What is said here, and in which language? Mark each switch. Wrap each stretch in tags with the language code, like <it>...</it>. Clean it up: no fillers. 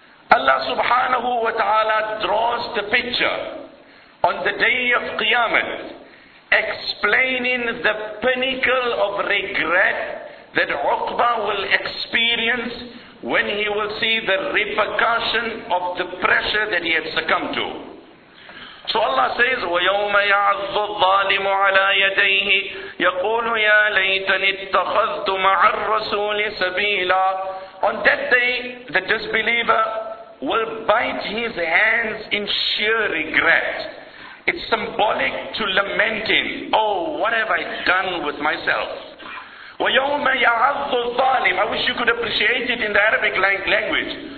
<en>Allah subhanahu wa ta'ala draws the picture on the day of Qiyamah, explaining the pinnacle of regret that Uqbah will experience when he will see the repercussion of the pressure that he had succumbed to. So Allah says,</en> <ar>وَيَوْمَ يَعَظُّ الظَّالِمُ عَلَىٰ يَدَيْهِ يَقُولُ يَا لَيْتَنِ اتَّخَذْتُ مَعَ الرَّسُولِ سَبِيلًا.</ar> <en>On that day, the disbeliever will bite his hands in sheer regret. It's symbolic to lamenting, oh, what have I done with myself?</en> <ar>وَيَوْمَ يَعَظُّ الظَّالِمُ.</ar> <en>I wish you could appreciate it in the Arabic language.</en>